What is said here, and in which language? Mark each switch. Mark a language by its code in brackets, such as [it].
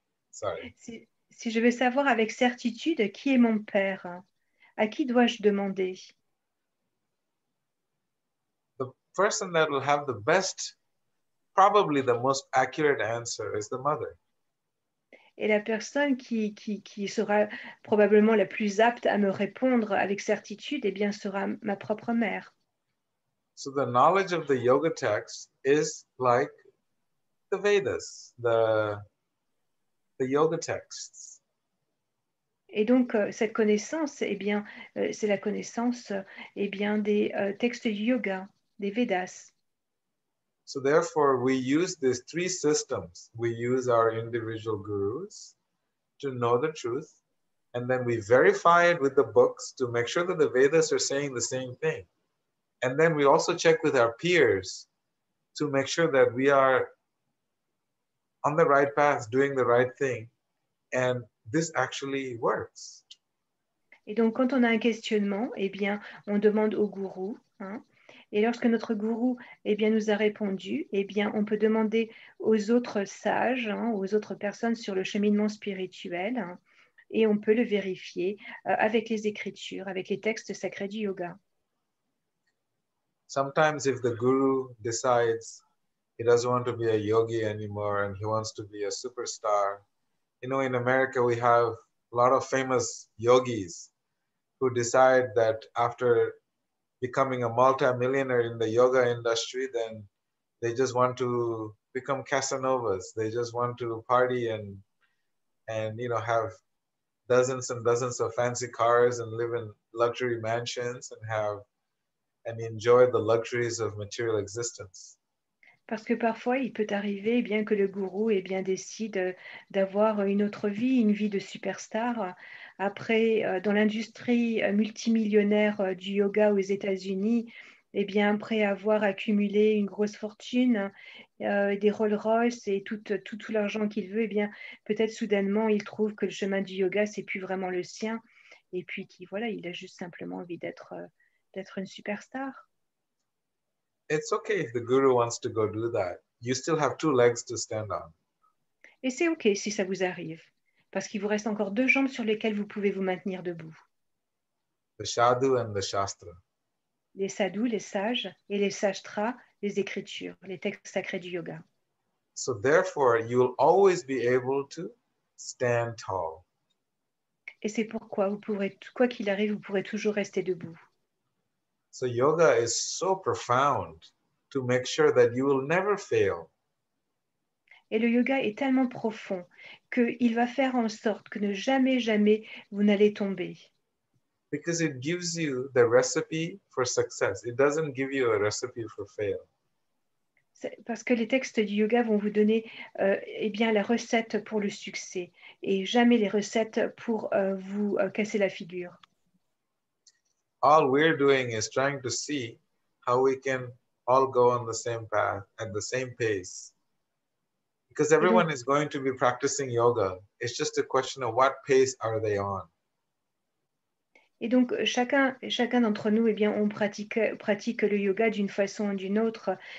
[fr] Si je veux savoir avec certitude qui est mon père, à qui dois-je demander? [en] The person that will have the best, probably the most accurate answer is the mother. [fr] Et la personne qui sera probablement la plus apte à me répondre avec certitude, eh bien, sera ma propre mère. [en] So the knowledge of the yoga text is like the Vedas, the yoga texts. [fr] Et donc, cette connaissance, eh bien, c'est la connaissance, eh bien, des textes du yoga, des Vedas. [en] So therefore, we use these three systems. We use our individual gurus to know the truth, and then we verify it with the books to make sure that the Vedas are saying the same thing. And then we also check with our peers to make sure that we are on the right path, doing the right thing, and this actually works. [fr] Et donc, quand on a un questionnement, eh bien, on demande au gourou, hein? Et lorsque notre gourou eh bien, nous a répondu, eh bien, on peut demander aux autres sages, hein, aux autres personnes sur le cheminement spirituel, hein, et on peut le vérifier avec les écritures, avec les textes sacrés du yoga. [en] Sometimes if the guru decides he doesn't want to be a yogi anymore and he wants to be a superstar, you know, in America we have a lot of famous yogis who decide that after becoming a multimillionaire in the yoga industry, then they just want to become Casanovas. They just want to party and you know have dozens and dozens of fancy cars and live in luxury mansions and enjoy the luxuries of material existence. [fr] Parce que parfois il peut arriver eh bien que le gourou eh bien décide d'avoir une autre vie, une vie de superstar. Après, dans l'industrie multimillionnaire du yoga aux États-Unis, eh bien, après avoir accumulé une grosse fortune, des Rolls Royce et tout l'argent qu'il veut, eh bien, peut-être soudainement, il trouve que le chemin du yoga, ce n'est plus vraiment le sien. Et puis, voilà, il a juste simplement envie d'être une superstar. [en] It's okay if the guru wants to go do that. You still have two legs to stand on. [fr] Et c'est okay si ça vous arrive. Parce qu'il vous reste encore deux jambes sur lesquelles vous pouvez vous maintenir debout. [en] The sadhu and the shastra. [fr] Les sadhus, les sages, et les shastras, les écritures, les textes sacrés du yoga. [en] So therefore, you'll always be able to stand tall. [fr] Et c'est pourquoi, vous pourrez, quoi qu'il arrive, vous pourrez toujours rester debout. [en] So yoga is so profound to make sure that you will never fail. [fr] Et le yoga est tellement profond qu'il va faire en sorte que ne jamais, jamais, vous n'allez tomber. [en] Because it gives you the recipe for success. It doesn't give you a recipe for fail. [fr] C'est parce que les textes du yoga vont vous donner eh bien, la recette pour le succès et jamais les recettes pour vous casser la figure. [en] All we're doing is trying to see how we can all go on the same path at the same pace. Because everyone is going to be practicing yoga. It's just a question of what pace are they on. [fr] Et donc, chacun d'entre nous, eh bien, on pratique le yoga d'une façon ou d'une autre.